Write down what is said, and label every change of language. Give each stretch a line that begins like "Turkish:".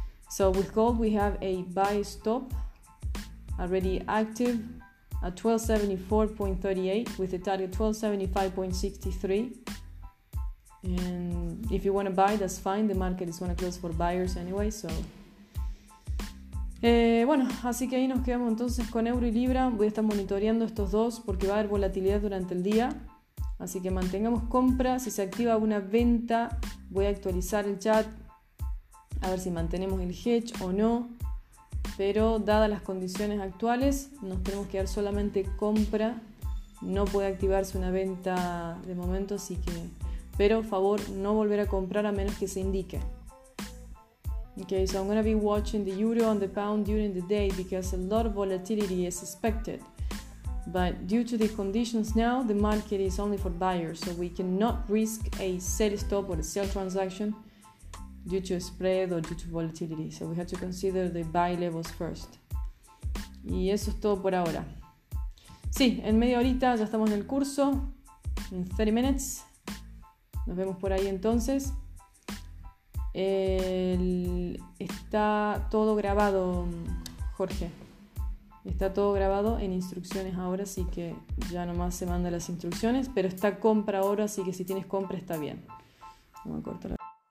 English: So with gold, we have a buy stop already active at 1274.38 with a target 1275.63. And if you want to buy, that's fine. The market is going to close for buyers anyway.
Spanish: So bueno, así que ahí nos quedamos entonces con euro y libra. Voy a estar monitoreando estos dos porque va a haber volatilidad durante el día. Así que mantengamos compra. Si se activa una venta, voy a actualizar el chat a ver si mantenemos el hedge o no. Pero dadas las condiciones actuales, nos tenemos que dar solamente compra. No puede activarse una venta de momento, así que... Pero, favor, no volver a comprar a menos que se indique.
English: Okay, so I'm going to be watching the euro and the pound during the day because a lot of volatility is expected. But due to the conditions now, the market is only for buyers, so we cannot risk a sell stop or a sell transaction due to a spread or due to volatility. So we have to consider the buy levels first.
Spanish: Y eso es todo por ahora. Sí, en media horita ya estamos en el curso.
English: In 30 minutes.
Spanish: Nos vemos por ahí entonces. Está todo grabado, Jorge. Está todo grabado en instrucciones ahora, así que ya nomás se manda las instrucciones. Pero está compra ahora, así que si tienes compra está bien. Vamos a cortar la...